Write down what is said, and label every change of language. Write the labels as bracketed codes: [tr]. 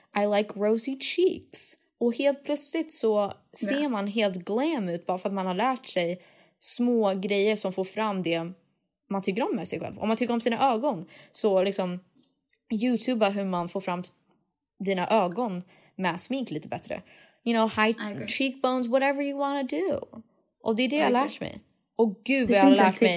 [en] I like rosy cheeks. [sv] Och helt plötsligt så ser man helt glam ut bara för att man har lärt sig små grejer som får fram det man tycker om med sig själv. Om man tycker om sina ögon så liksom YouTube hur man får fram dina ögon med smink lite bättre. [en] You know, high cheekbones, whatever you wanna do. [sv] Och det är det jag har lärt mig. Och gud vad jag har lärt mig.